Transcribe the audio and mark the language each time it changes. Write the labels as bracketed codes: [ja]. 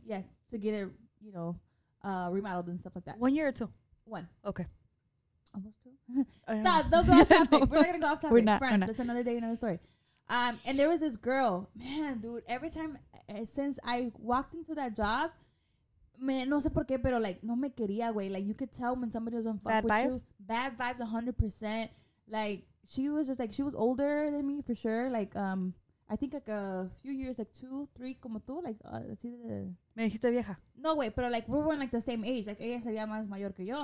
[en] Yeah, to get it, you know, remodeled and stuff like that. 1 year or two? One. Okay. Almost two. Stop. Don't go off topic. We're not gonna go off topic. We're not. Friends. That's another day, another story. And there was this girl, man, dude. Every time since I walked into that job. [es] Man, no sé por qué, pero, like, no me quería, güey. [en] Like, you could tell when somebody doesn't fuck bad with vibe? You. Bad vibes, 100%. Like, she was just, like, she was older than me, for sure. Like, I think, like, a few years, like, 2, 3, [es] como tú. [en] Like, let's see the... [es] Me dijiste vieja. No, güey, pero, [en] like, we were in, like, the same age. Like, [es] ella sería más mayor que yo.